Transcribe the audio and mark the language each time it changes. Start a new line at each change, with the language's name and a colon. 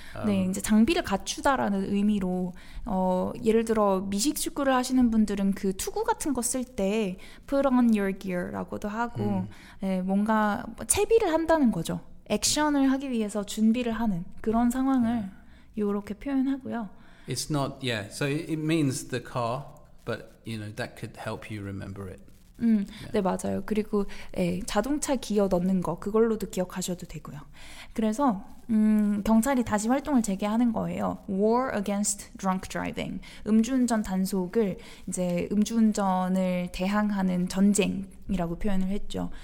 Korean: 네, 이제 장비를 갖추다라는 의미로 예를 들어 미식축구를 하시는 분들은 그 투구 같은 거 쓸 때
English: put on your gear
Korean: 라고도 하고 네, 뭔가 채비를 한다는 거죠. 액션을 하기 위해서 준비를 하는 그런 상황을 이렇게 표현하고요.
English: It's not, yeah, so it means the car, but, you know, that could help you remember it.
Korean: 네, 맞아요. 그리고 예, 자동차 기어 넣는 거, 그걸로도 기억하셔도 되고요. 그래서 경찰이 다시 활동을 재개하는 거예요.
English: War against drunk driving.
Korean: 음주운전 단속을 이제 음주운전을 대항하는 전쟁이라고 표현을 했죠.